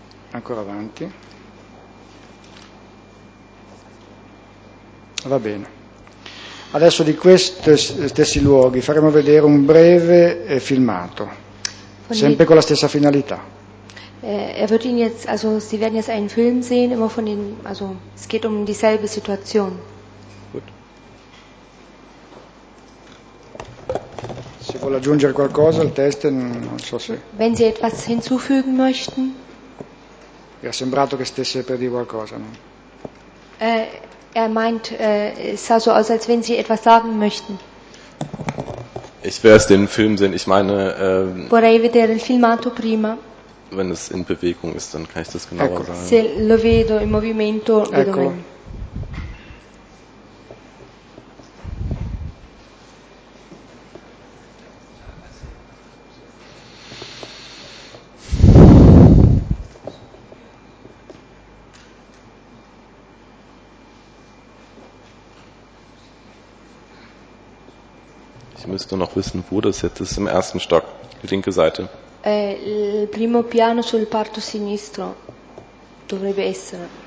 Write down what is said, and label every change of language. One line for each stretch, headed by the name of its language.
Italian: Ancora avanti. Va bene. Adesso di questi stessi luoghi faremo vedere un breve filmato, sempre con la stessa finalità.
German: Sie werden jetzt einen Film sehen, immer von den, also es geht um dieselbe Situation. Gut.
Italian: Se vuole aggiungere qualcosa al test, non so se.
German: Wenn Sie etwas hinzufügen möchten.
Italian: Mi è sembrato che stesse per dire qualcosa, no?
German: Er meint, es sah so aus, als wenn Sie etwas sagen möchten. Ich will erst den Film sehen, ich meine.
Italian: Vorrei vedere il filmato prima.
German: Wenn es in Bewegung ist, dann kann ich das genauer
Italian: ecco.
German: Sagen.
Italian: Se lo vedo in movimento, ecco. Vedo.
German: Müsste noch wissen, wo das jetzt ist, im ersten Stock, die linke Seite.
Italian: Il primo piano sul parto sinistro dovrebbe essere.